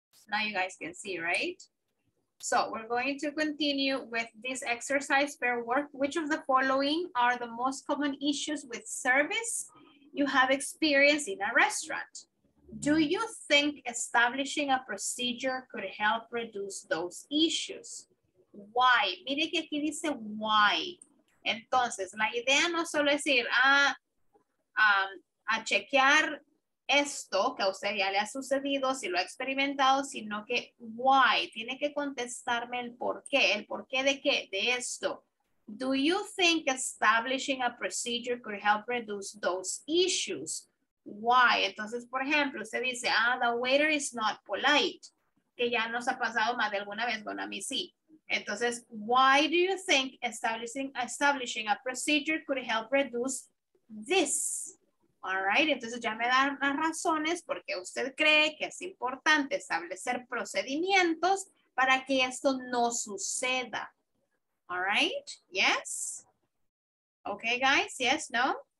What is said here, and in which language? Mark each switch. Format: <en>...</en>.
<en>Now you guys can see, right? So we're going to continue with this exercise pair work. Which of the following are the most common issues with service you have experienced in a restaurant? Do you think establishing a procedure could help reduce those issues?</en> <es>Why? Mire que aquí dice why. Entonces, la idea no solo es ir a chequear esto que a usted ya le ha sucedido, si lo ha experimentado, sino que why, tiene que contestarme el por qué de qué, de esto.</es> <en>Do you think establishing a procedure could help reduce those issues? Why?</en> <es>Entonces, por ejemplo, usted dice, ah,</es> <en>the waiter is not polite,</en> <es>que ya nos ha pasado más de alguna vez, bueno, a mí sí.</es> <en>Entonces, why do you think establishing a procedure could help reduce this?</en> <es>All right, entonces ya me dan las razones porque usted cree que es importante establecer procedimientos para que esto no suceda.</es> <en>All right, yes? Okay, guys, yes, no?</en>